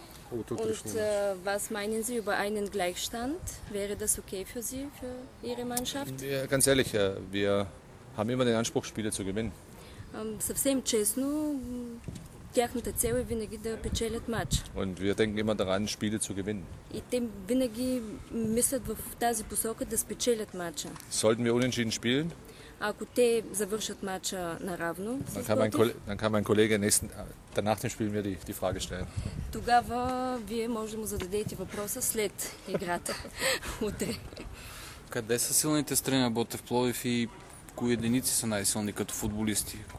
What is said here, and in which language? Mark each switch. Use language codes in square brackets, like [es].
[de] Und was meinen Sie über einen Gleichstand? Wäre das okay für Sie, für Ihre Mannschaft? Ja, ganz ehrlich, wir haben immer den Anspruch, Spiele zu gewinnen. [bg] Съвсем честно, тяхната цел е винаги да печелят матч. [de] Und wir denken immer daran, Spiele zu gewinnen. [bg] И те винаги мислят в тази посока да спечелят матча. [de] Sollten wir unentschieden spielen? [bg] Ако те завършат матча наравно, [de] dann kann mein Kollege danach dem Spiel mir die Frage stellen. [bg] Тогава вие може да му зададете въпроса след играта утре. Къде са силните страни на Ботев Пловдив и кои единици са най-силни като футболисти?